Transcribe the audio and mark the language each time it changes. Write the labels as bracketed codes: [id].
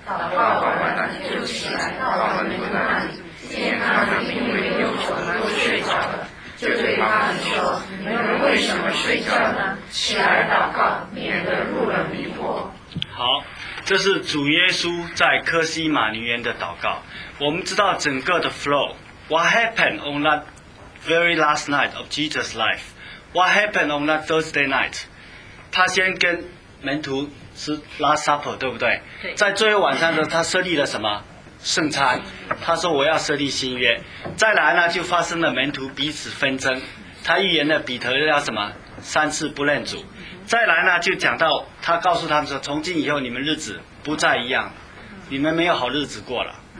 [zh] 祷告完了，就起来到门徒那里，见他们因为忧愁都睡着了，就对他们说：“你们为什么睡觉呢？起来祷告，免得入了迷惑。” 好，这是主耶稣在科西马尼园的祷告。我们知道整个的 [en] flow, what happened on that very last night of Jesus' life, what happened on that Thursday night, [zh] 他先跟门徒吃 [en] last supper, [zh] 对不对？在最后晚上的时候他设立了什么圣餐，他说我要设立新约。再来呢，就发生了门徒彼此纷争，他预言了彼得要什么三次不认主。再来呢，就讲到他告诉他们说，从今以后你们日子不再一样，你们没有好日子过了。